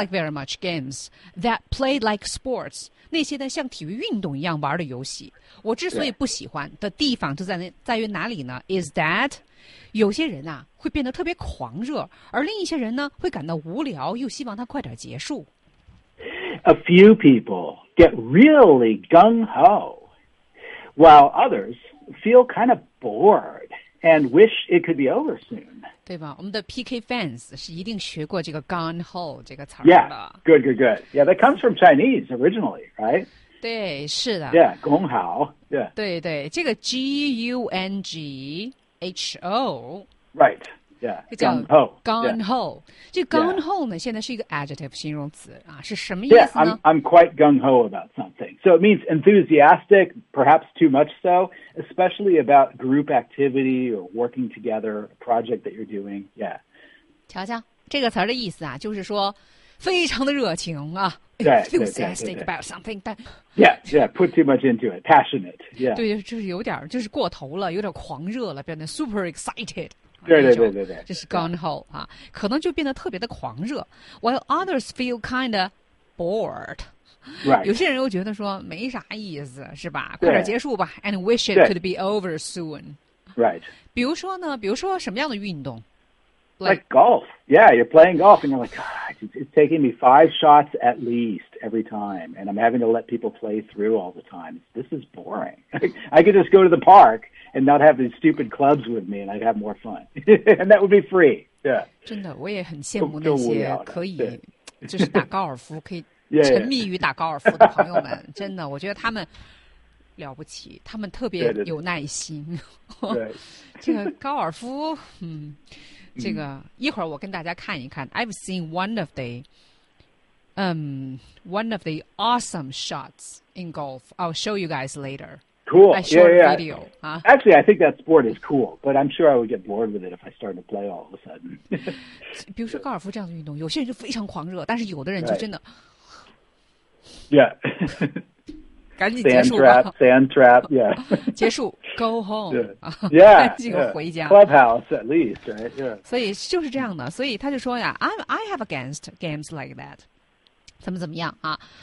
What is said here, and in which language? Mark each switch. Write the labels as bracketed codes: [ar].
[en] like very much games that play like sports, [zh] 那些呢像体育运动一样玩的游戏。我之所以不喜欢的地方就在于哪里呢 [en] is that, [zh] 有些人啊会变得特别狂热，而另一些人呢会感到无聊，又希望它快点结束。 [en] A few people get really gung-ho, while others feel kind of bored and wish it could be over soon. [zh] 对吧？我们的 [en] PK fans [zh] 是一定学过这个 gung-ho 这个词儿的。 [en] Yeah, good, good, good. Yeah, that comes from Chinese originally, right? [zh] 对，是的。 [en] Yeah, gung-ho. Yeah. [zh] 对对，这个 G-U-N-G. H-O. [en] Right. Yeah. Gung-ho. Yeah. [zh] Gung-ho 呢现在是一个 adjective 形容词、啊、是什么意思呢 [en] Yeah, I'm quite gung-ho about something. So it means enthusiastic, perhaps too much so, especially about group activity or working together, a project that you're doing. Yeah. [zh] 瞧瞧这个词的意思啊就是说非常的热情啊 [en] enthusiastic about something. But... Yeah, yeah, put too much into it, passionate. Yeah. [zh] 对，就是有点，就是过头了，有点狂热了，变得 [en] super excited. [zh] 对，这是 gung-ho 啊，可能就变得特别的狂热。 [en] While others feel kind of bored. Right. [zh] 有些人又觉得说没啥意思，是吧？快点结束吧 ， [en] and wish it could be over soon. Right. [zh] 比如说呢，比如说什么样的运动？ [en] Like golf. Yeah, you're playing golf and you're like, it's taking me 5 shots at least every time. And I'm having to let people play through all the time. This is boring. I could just go to the park and not have these stupid clubs with me and I'd have more fun. And that would be free. Yeah. [zh] 真的我也很羡慕那些可以就是打高尔夫可以沉迷于打高尔夫的朋友们。真的我觉得他们了不起他们特别有耐心。对。这个高尔夫这个一会儿我跟大家看一看 [en] I've seen one of the awesome shots in golf. I'll show you guys later. Cool. A short yeah. video. Actually, I think that sport is cool, but I'm sure I would get bored with it if I started to play all of a sudden. [zh] 比如说高尔夫这样的运动有些人就非常狂热但是有的人就真的、 [en] right. Yeah. [zh] 赶紧结束吧 [en] sand trap, yeah. [zh] 结束 [en] go home. Yeah, [zh] 赶紧回家 [en] yeah. Clubhouse at least, right? Yeah. [zh] 所以就是这样的所以他就说呀 [en] I have against games like that. [zh] 怎么怎么样啊、